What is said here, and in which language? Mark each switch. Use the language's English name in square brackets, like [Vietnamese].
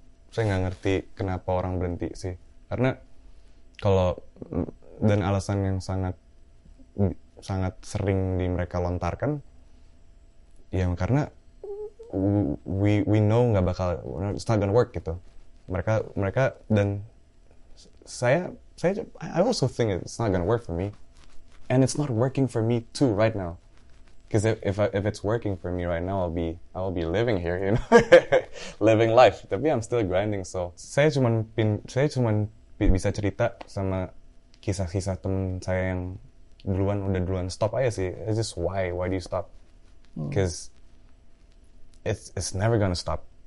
[Indonesian] Saya nggak ngerti kenapa orang berhenti sih. Karena kalau, dan alasan yang sangat sangat sering di mereka lontarkan, ya karena [English] we know [Indonesian] nggak bakal, [English] it's not gonna work [Indonesian] gitu. Mereka, dan saya, [English] I also think it's not gonna work for me. And it's not working for me too right now, because if it's working for me right now, I'll be living here, you know, living life. [Indonesian] Tapi [English] I'm still grinding. So [Indonesian] saya cuman bisa cerita sama kisah-kisah teman saya yang duluan stop aja sih. [English] It's just why do you stop? Because it's never gonna stop.